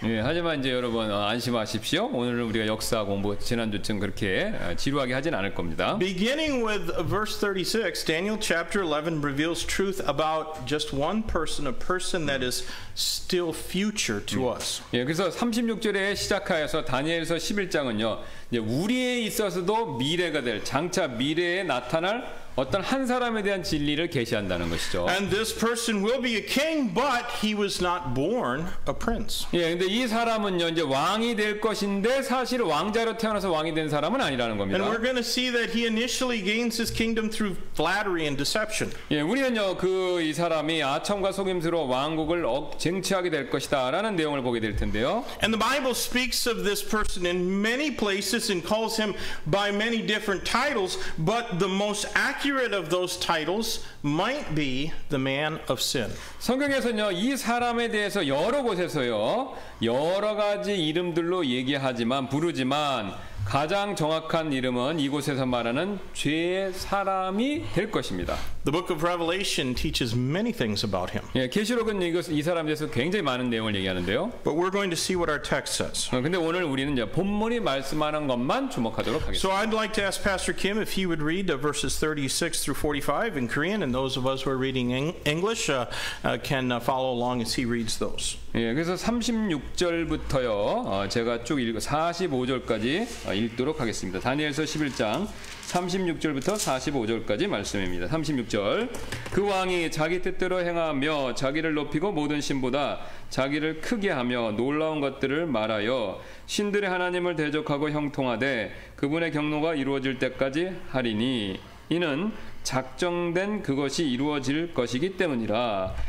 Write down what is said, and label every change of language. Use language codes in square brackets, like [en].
[ko] 예, 하지만 이제 여러분 안심하십시오. 오늘은 우리가 역사 공부 지난주쯤 그렇게 지루하게 하진 않을 겁니다. [en] Beginning with verse 36, Daniel chapter 11 reveals truth about just one person, a person that is still future to us. [ko] 예, 그래서 36절에 시작하여서 다니엘서 11장은요. 이제 우리에 있어서도 미래가 될 장차 미래에 나타날 어떤 한 사람에 대한 진리를 계시한다는 것이죠. [en] And this person will be a king, but he was not born a prince. [ko] 예, 근데 이 사람은요 이제 왕이 될 것인데 사실 왕자로 태어나서 왕이 된 사람은 아니라는 겁니다. [en] And we're going to see that he initially gains his kingdom through flattery and deception. [ko] 예, 우리는요 그 이 사람이 아첨과 속임수로 왕국을 쟁취하게 될 것이다라는 내용을 보게 될 텐데요. [en] And the Bible speaks of this person in many places and calls him by many different titles, but the most accurate of those titles might be the man of sin. [ko] 성경에서는요, 이 사람에 대해서 여러 곳에서요, 여러 가지 이름들로 얘기하지만 부르지만 가장 정확한 이름은 이곳에서 말하는 죄의 사람이 될 것입니다. [en] The book of Revelation teaches many things about him. [ko] 예, 계시록은 이곳 이 사람에 대해서 굉장히 많은 내용을 얘기하는데요. [en] But we're going to see what our text says. [ko] 근데 오늘 우리는 이제 본문이 말씀하는 것만 주목하도록 하겠습니다. [en] So I'd like to ask Pastor Kim if he would read verses 36 through 45 in Korean, and those of us who are reading English can follow along as he reads those. [ko] 예, 그래서 36절부터요. 제가 쭉 읽고 45절까지 읽도록 하겠습니다. 다니엘서 11장 36절부터 45절까지 말씀입니다. 36절. 그 왕이 자기 뜻대로 행하며 자기를 높이고 모든 신보다 자기를 크게 하며 놀라운 것들을 말하여 신들의 하나님을 대적하고 형통하되 그분의 경로가 이루어질 때까지 하리니 이는 작정된 그것이 이루어질 것이기 때문이라.